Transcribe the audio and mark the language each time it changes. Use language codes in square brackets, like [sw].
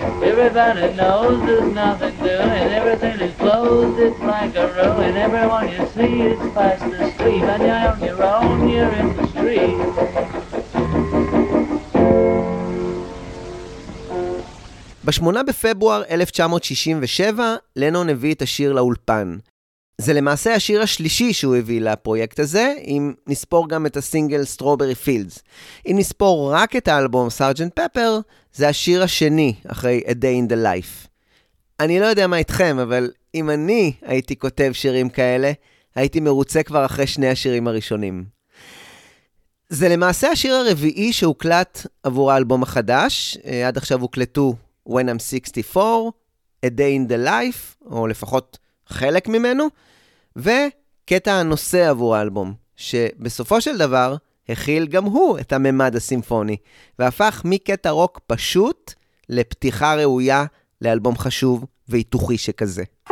[en] Everybody knows there's nothing doing. Everything is closed, it's like a ruin. Everyone you see is fast asleep. And you're on your own, you're in the street. [he] בשמונה בפברואר 1967, לנון הביא את השיר לאולפן. זה למעשה השיר השלישי שהוא הביא לפרויקט הזה, אם נספור גם את הסינגל Strawberry Fields. אם נספור רק את האלבום Sgt. Pepper, זה השיר השני אחרי A Day in the Life. אני לא יודע מה איתכם, אבל אם אני הייתי כותב שירים כאלה, הייתי מרוצה כבר אחרי שני השירים הראשונים. זה למעשה השיר הרביעי שהוקלט עבור האלבום החדש, עד עכשיו הוקלטו When I'm 64, A Day in the Life, או לפחות חלק ממנו, וקטע הנושא עבור האלבום, שבסופו של דבר הכיל גם הוא את הממד הסימפוני, והפך מקטע רוק פשוט לפתיחה ראויה לאלבום חשוב ויתוחי שכזה.